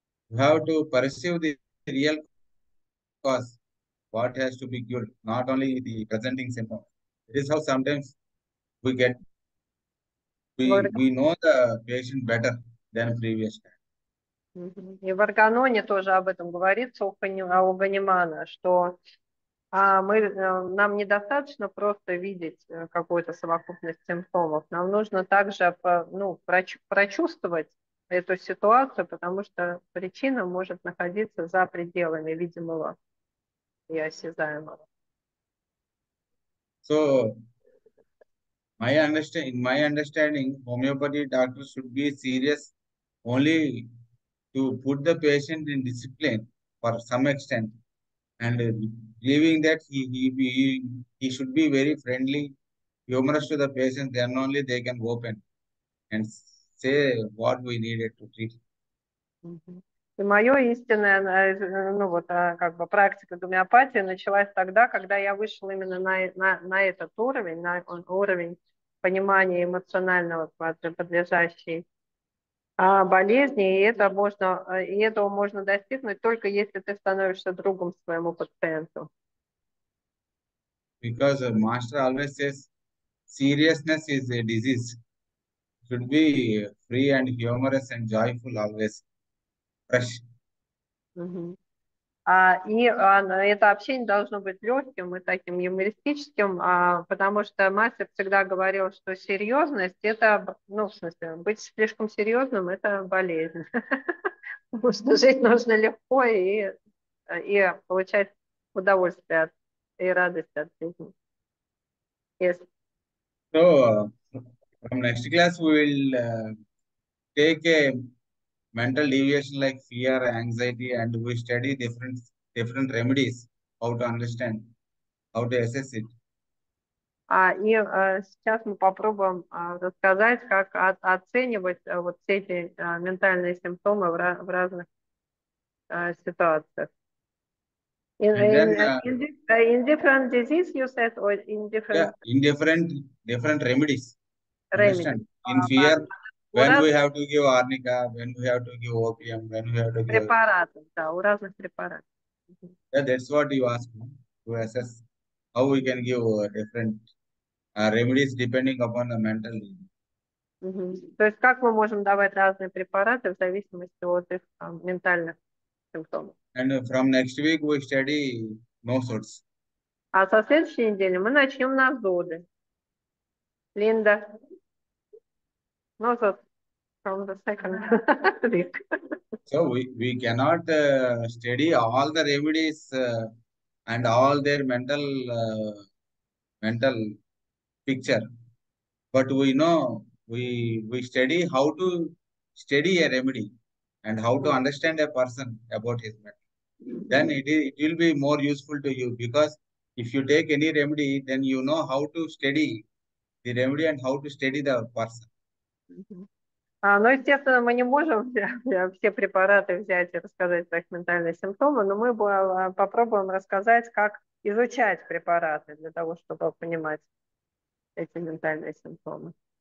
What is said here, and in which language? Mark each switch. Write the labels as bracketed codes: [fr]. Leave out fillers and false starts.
[en] You have to perceive the real cause, what has to be cured, not only the presenting symptom. It is how sometimes we get. We know the patient better than previous time. [ru] И в органоне тоже об этом говорится, у Ганимана, что нам недостаточно просто видеть какую-то совокупность симптомов, нам нужно также прочувствовать эту ситуацию, потому что причина может находиться за пределами видимого и осязаемого. [en] So, in my understanding, homeopathy doctor should be serious only to put the patient in discipline for some extent, and believing that he should be very friendly, humorous to the patient, then only they can open and say what we needed to treat. [ru] И мое истинное, ну вот, как бы практика гомеопатии началась тогда, когда я вышел именно на этот уровень, на уровень понимания эмоционального подлежащей болезни, и этого можно достигнуть только если ты становишься другом своему пациенту. [en] Because the master always says seriousness is a disease. Should be free and humorous and joyful always. Fresh. [ru] Это общение должно быть легким и таким юмористическим, потому что мастер всегда говорил, что серьезность это, ну, в смысле, быть слишком серьезным это болезнь. Потому что жить нужно легко и получать удовольствие и радость от жизни. [en] So, from next class, we will take a mental deviation like fear, anxiety, and we study different remedies, how to understand, how to assess it. [ru] Сейчас мы попробуем рассказать, как оценивать вот все эти ментальные симптомы в разных ситуациях. [en] And then, In different disease, you said, or in yeah, different in different remedies, remedy. understand? In fear, [ru] У [en] when we [ru] разных [en] have to give arnica, when we have to give opium, when we have to give, [ru] препаратов, да, у разных препаратов. [en] yeah, that's what you ask, to assess how we can give different remedies depending upon the mental. [ru] То есть как мы можем давать разные препараты в зависимости от их там, ментальных симптомов. [en] And from next week we study no source. [ru] А со следующей недели мы начнем на зоды. [en] Линда. Нозот. From the second week. So we cannot study all the remedies and all their mental mental picture, but we know we study how to study a remedy and how to understand a person about his mental. Then it will be more useful to you, because if you take any remedy, then you know how to study the remedy and how to study the person. [ru] Ну, естественно, мы не можем все препараты взять и рассказать про их ментальные симптомы, но мы попробуем рассказать, как изучать препараты для того, чтобы понимать эти ментальные симптомы.